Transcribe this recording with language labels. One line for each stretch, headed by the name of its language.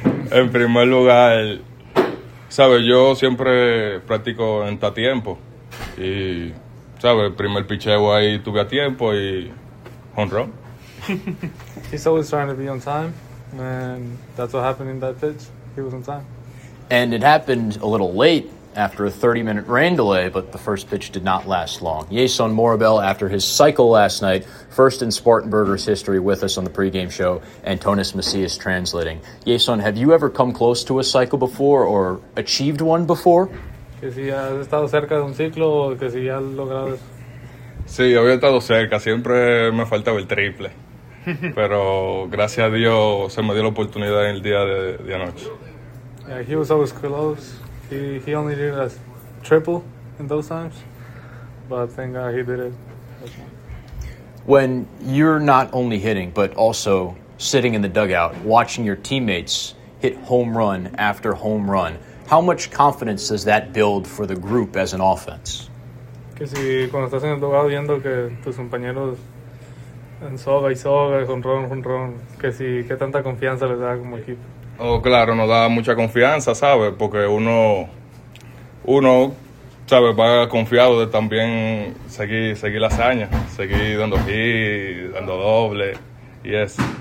Spanish: En primer lugar, sabes, yo siempre practico en ta tiempo. Y, sabes, el primer picheo ahí tuve a tiempo y home run.
English: He's always trying to be on time, and that's what happened in that pitch. He was on time. And it happened a little late after a 30-minute rain delay, but the first pitch did not last long. Yason Morabel, after his cycle last night, first in Spartan Burgers history with us on the pregame show, Antonis Macias translating. Yason, have you ever come close to a cycle before or achieved one before?
Spanish: Que si has estado cerca de un ciclo o que si has logrado eso. Sí, había estado cerca. Siempre me faltaba el triple. Pero gracias a Dios se me dio la oportunidad en el día de anoche.
English: Yeah, he was always close. He only did a triple in those times, but thank God he did it. When you're not only hitting, but also sitting in the dugout, watching your teammates hit home run after home run, how much confidence does that build for the group as an offense?
Spanish: Que si cuando estás en el dugout viendo que tus compañeros en soga y soga, con ron, que si, ¿qué tanta confianza les da como equipo? Oh, claro, nos da mucha confianza, ¿sabes? Porque uno, ¿sabes? Va confiado de también seguir la hazaña, seguir dando hit, dando doble, yes.